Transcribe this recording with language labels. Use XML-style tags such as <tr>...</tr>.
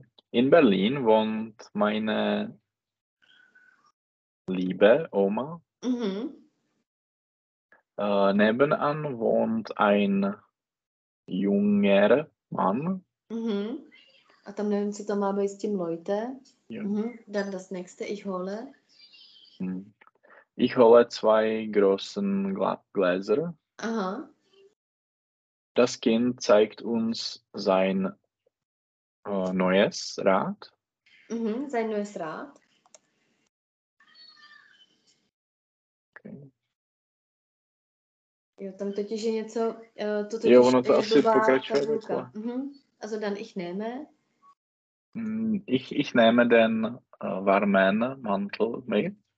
<de>In Berlin wohnt meine liebe Oma. Nebenan wohnt ein junger Mann.</de> <cs>A tam nevím, co to má být s tím Leute. Yeah.</cs> <de>Dann das nächste, ich hole. Ich hole zwei großen Gläser. Aha. Das Kind zeigt uns sein neues Rad. Sein neues Rad.</de> <cs>Jo, tam totiž je něco, to totiž je dobová tabulka. Jo, ono to asi pokračuje.</cs> <de>Also dann ich nehme. Ich nehme den warmen Mantel mit.</de>